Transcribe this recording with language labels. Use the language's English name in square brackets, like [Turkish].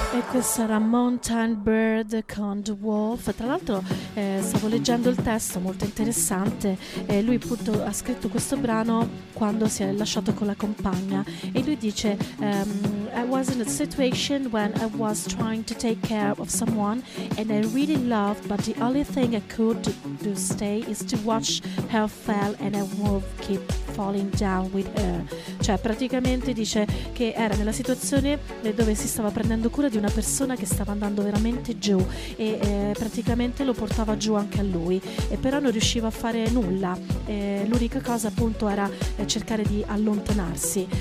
[Italian] che sarà Mountain Bird con The Wolf. Tra l'altro stavo leggendo il testo, molto interessante. Lui appunto ha scritto questo brano quando si è lasciato con la compagna, e lui dice: [English] I was in a situation when I was trying to take care of someone and I really loved, but the only thing I could do stay is to watch her fall and I will keep falling down with her. [Italian] Cioè praticamente dice che era nella situazione dove si stava prendendo cura di una persona che stava andando veramente giù, e praticamente lo portava giù anche a lui, e però non riusciva a fare nulla, l'unica cosa appunto era cercare di allontanarsi.